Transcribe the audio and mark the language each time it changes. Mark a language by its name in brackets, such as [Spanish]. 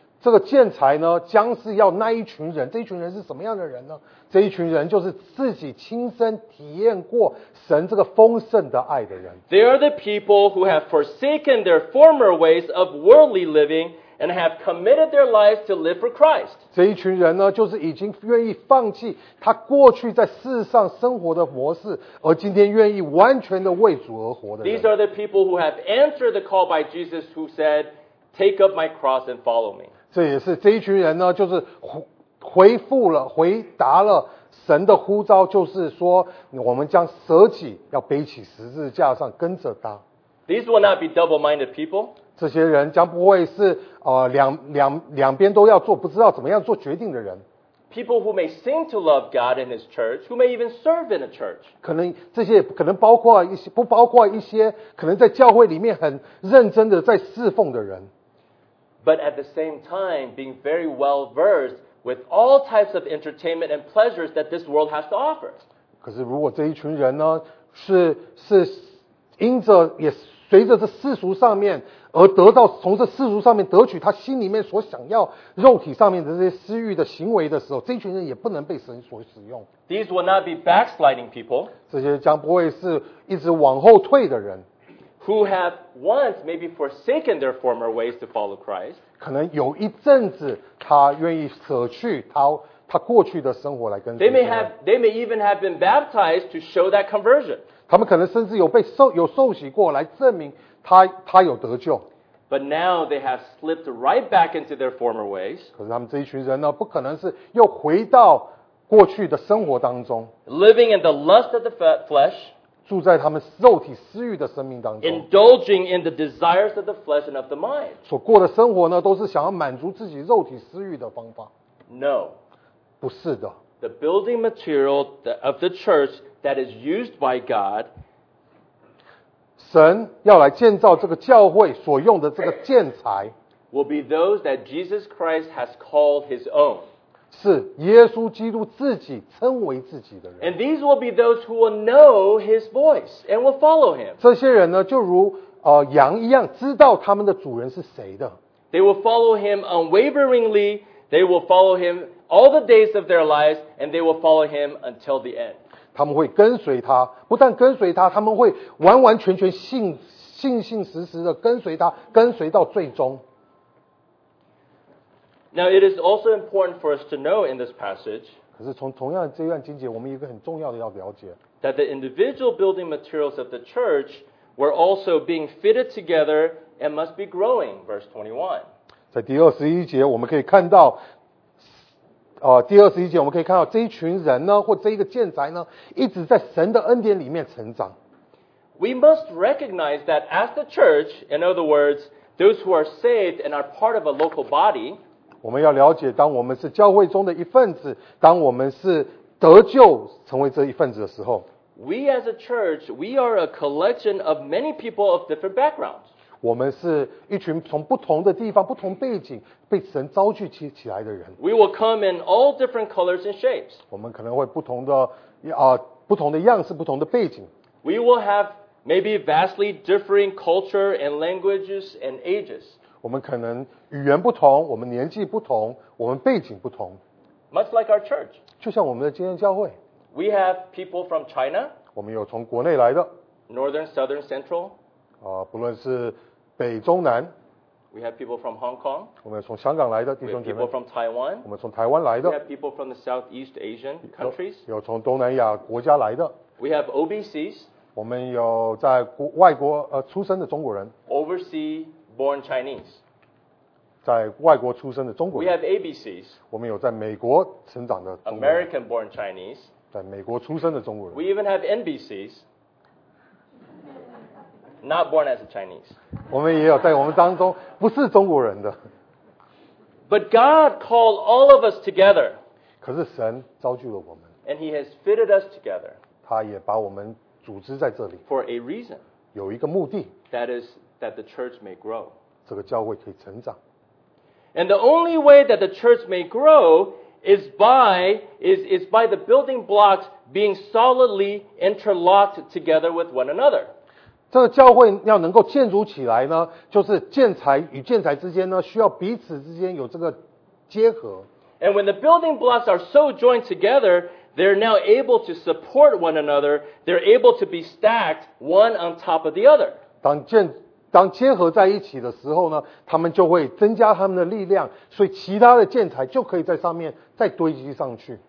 [Chinese] 这个建材呢，将是要那一群人。这一群人是什么样的人呢？这一群人就是自己亲身体验过神这个丰盛的爱的人。 [English] They are the people who have forsaken their former ways of worldly living and have committed their lives to live for Christ. [Chinese] 这一群人呢，就是已经愿意放弃他过去在世上生活的模式，而今天愿意完全的为主而活的人。 [English] These are the people who have answered the call by Jesus who said, "Take up my cross and follow me." [Chinese] 这也是这一群人呢，就是回复了，回答了神的呼召，就是说，我们将舍己，要背起十字架上跟着他。 [English] These will not be double-minded people. [Chinese] 这些人将不会是两边都要做，不知道怎么样做决定的人。 [English] People who may seem to love God and His church, who may even serve in a church. [Chinese] 可能这些可能包括一些，不包括一些可能在教会里面很认真的在侍奉的人。 [English] But at the same time, being very well versed with all types of entertainment and pleasures that this world has to offer. [Chinese] 可是如果这一群人呢，是因着也随着这世俗上面而得到，从这世俗上面得取他心里面所想要肉体上面的这些私欲的行为的时候，这一群人也不能被神所使用。 [English] These will not be backsliding people. [Chinese] 这些将不会是一直往后退的人。 [English] Who have once maybe forsaken their former ways to follow Christ. [Chinese] 可能有一阵子他愿意舍去他过去的生活来跟神。 [English] They may even have been baptized to show that conversion. [Chinese] 他们可能甚至有受洗过来证明他有得救。 [English] But now they have slipped right back into their former ways. [Chinese] 可是他们这一群人呢，不可能是又回到过去的生活当中。 [English] Living in the lust of the flesh. [Chinese] 住在他们肉体私欲的生命当中， [English] indulging in the desires of the flesh and of the mind， [Chinese] 所过的生活呢，都是想要满足自己肉体私欲的方法。 [English] No， [Chinese] 不是的。 [English] The building material of the church that is used by God， [Chinese] 神要来建造这个教会所用的这个建材， [English] will be those that Jesus Christ has called His own。 [Chinese] 是耶稣基督自己称为自己的人。 [English] And these will be those who will know His voice and will follow Him. [Chinese] 这些人呢，就如羊一样，知道他们的主人是谁的。 [English] They will follow him unwaveringly. They will follow him all the days of their lives, and they will follow him until the end. [Chinese] 他们会跟随他，不但跟随他，他们会完完全全信实实的跟随他，跟随到最终。 [English] Now it is also important for us to know in this passage. [Chinese] 可是从同样这段经节，我们有一个很重要的要了解。 [English] That the individual building materials of the church were also being fitted together and must be growing. Verse 21. [Chinese] 在第二十一节，我们可以看到。第二十一节我们可以看到这一群人呢，或这一个建材呢，一直在神的恩典里面成长。 [English] We must recognize that as the church, in other words, those who are saved and are part of a local body, [Chinese] 我们要了解，当我们是教会中的一份子，当我们是得救成为这一份子的时候， [English] We as a church, we are a collection of many people of different backgrounds. [Chinese] 我们是一群从不同的地方、不同背景被神召聚起来的人。 [English] We will come in all different colors and shapes. [Chinese] 我们可能会不同的不同的样式、不同的背景。 [English] We will have maybe vastly differing culture and languages and ages. [Chinese] 我们可能语言不同，我们年纪不同，我们背景不同。 [English] Much like our church. [Chinese] 就像我们的今天教会。 [English] We have people from China. [Chinese] 我们有从国内来的。 [English] Northern, Southern, Central. [Chinese] 不论是北中南。 [English] We have people from Hong Kong. [Chinese] 我们有从香港来的弟兄姐妹。 [English] We have people from Taiwan. [Chinese] 我们从台湾来的。 [English] We have people from the Southeast Asian countries. [Chinese] 有从东南亚国家来的。 [English] We have OBCs. [Chinese] 我们有在外国出生的中国人。 [English] Overseas born Chinese. [Chinese] 在外国出生的中国人。 [English] We have ABCs. [Chinese] 我们有在美国成长的中国人。 [English] American born Chinese. [Chinese] 在美国出生的中国人。 [English] We even have NBCs. Not born as a Chinese. [Chinese] 我们也有在我们当中不是中国人的。 [English] But God called all of us together. [Chinese] 可是神召聚了我们。 [English] And he has fitted us together. [Chinese] 他也把我们组织在这里。 [English] For a reason. [Chinese] 有一个目的。 [English] That is that the church may grow. [Chinese] 这个教会可以成长。 [English] And the only way that the church may grow is by the building blocks being solidly interlocked together with one another. [Chinese] 这个教会要能够建筑起来呢，就是建材与建材之间呢，需要彼此之间有这个结合。 [English] And when the building blocks are so joined together, they're now able to support one another. They're able to be stacked one on top of the other. [Chinese] 当结合在一起的时候呢，他们就会增加他们的力量，所以其他的建材就可以在上面再堆积上去。